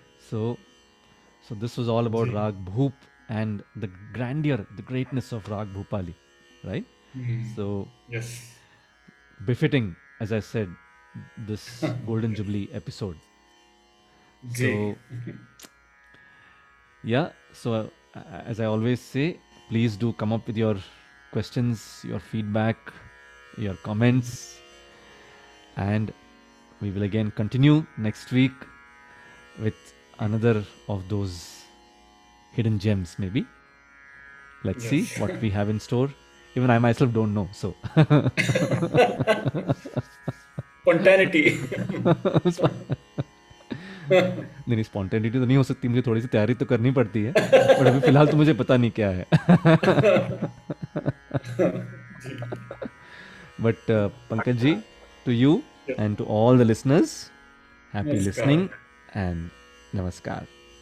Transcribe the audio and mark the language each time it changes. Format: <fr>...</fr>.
<en>So this was all about raag Bhoop and the grandeur the greatness of raag Bhopali right. So befitting as I said this golden jubilee episode. So, yeah, so as I always say, please do come up with your questions, your feedback, your comments, and we will again continue next week with another of those hidden gems, maybe. Let's see what we have in store. Even I myself don't know, so. Spontaneity.</en> <hi>नहीं spontaneity तो नहीं हो सकती, मुझे थोड़ी सी तैयारी तो करनी पड़ती है बट अभी फिलहाल तो मुझे पता नहीं क्या है.</hi> <en>But Pankaj ji to you and to all the listeners happy listening and namaskar.</en>